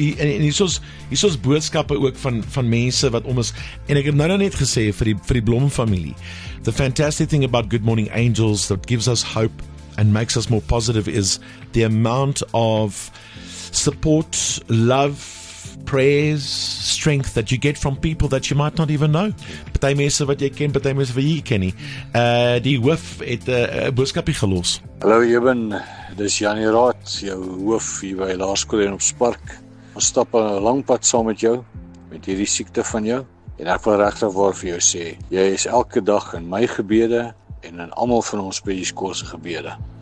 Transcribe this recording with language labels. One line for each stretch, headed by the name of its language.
Afrikaans: En hier is boodskappe ook van mense wat om is. En ek het nou net gesê vir die Blom familie.
English: The fantastic thing about Good Morning Angels that gives us hope and makes us more positive is the amount of support, love, prayers, strength that you get from people that you might not even know.
Afrikaans: Party mense wat jy ken, party mense wat jy ken nie. Die hoof het 'n boodskapie gelos. Hallo Eben, dis Janie Raad, jou hoof hier by Laerskool en op Spark. Ons stap 'n lang pad saam met jou, met hierdie siekte van jou. En ek wil regtig waar vir jou sê, jy is elke dag in my gebede, en in almal van ons by die skool se gebede.